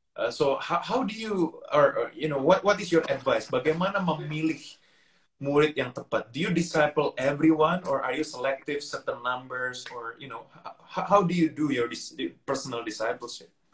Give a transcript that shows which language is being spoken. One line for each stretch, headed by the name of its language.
English: So how do you what is your advice?
Indonesian: Bagaimana memilih murid yang tepat?
English: Do you disciple everyone or are you selective certain numbers or how do you do your personal discipleship?